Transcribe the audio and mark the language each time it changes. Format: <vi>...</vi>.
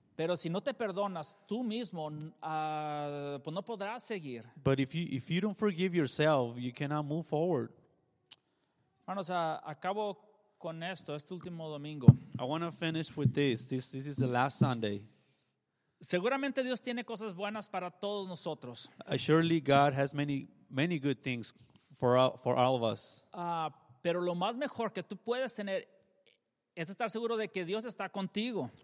<es>Pero si no te perdonas tú mismo, pues no podrás seguir.</es> <en>But if you don't forgive yourself, you cannot move forward.</en> <es>Bueno, o sea, acabo con esto, este último domingo.</es> <en>I want to finish with this. This is the last Sunday.</en> <es>Seguramente Dios tiene cosas buenas para todos nosotros.</es> <en>Surely God has many good things for all of us.</en> <es>Pero lo más mejor que tú puedes tener es estar seguro de que Dios está contigo.</es>